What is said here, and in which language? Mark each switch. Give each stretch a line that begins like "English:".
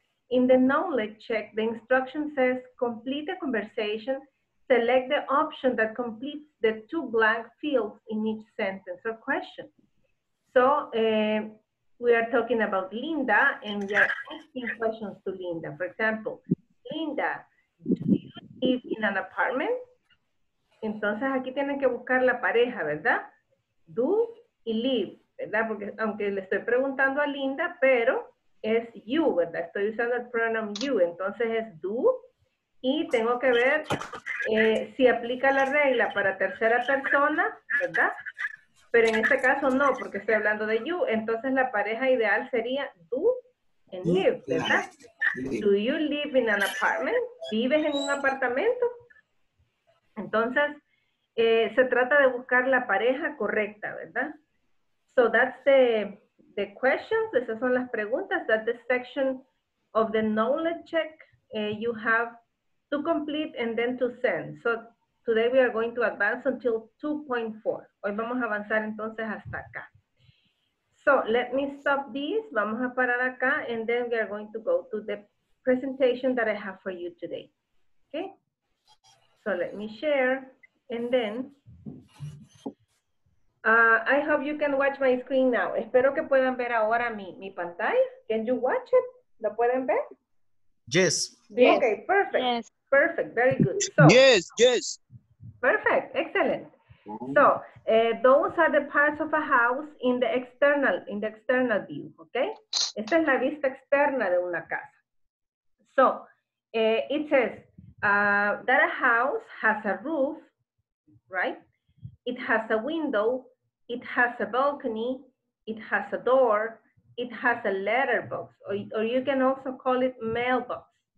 English: In the knowledge check, the instruction says complete the conversation, select the option that completes the two blank fields in each sentence or question. So we are talking about Linda, and we are asking questions to Linda. For example, Linda, do you live in an apartment?
Spanish: Entonces, aquí tienen que buscar la pareja, ¿verdad?
English: Do y live,
Spanish: ¿verdad? Porque aunque le estoy preguntando a Linda, pero es you, ¿verdad? Estoy usando el pronoun you. Entonces, es do. Y tengo que ver si aplica la regla para tercera persona, ¿verdad? Pero en este caso no, porque estoy hablando de you. Entonces, la pareja ideal sería
English: do and live,
Spanish: ¿verdad?
English: Do you live in an apartment?
Spanish: ¿Vives en un apartamento? Entonces, se trata de buscar la pareja correcta, ¿verdad?
English: So that's the questions,
Spanish: esas son las preguntas,
English: that's the section of the knowledge check you have to complete and then to send. So today we are going to advance until 2.4.
Spanish: Hoy vamos a avanzar entonces hasta acá.
English: So let me stop this,
Spanish: vamos a parar acá,
English: and then we are going to go to the presentation that I have for you today, okay? So let me share, and then I hope you can watch my screen now.
Spanish: Espero que puedan ver ahora mi pantalla.
English: Can you watch it?
Spanish: ¿Lo pueden ver?
English: Yes. Okay, perfect. Yes. Perfect, very good. So, yes, yes. Perfect, excellent. So those are the parts of a house in the external view, okay?
Spanish: Esta es la vista externa de una casa.
English: So it says, that a house has a roof, right? It has a window, it has a balcony, it has a door, it has a letterbox, or you can also call it mailbox.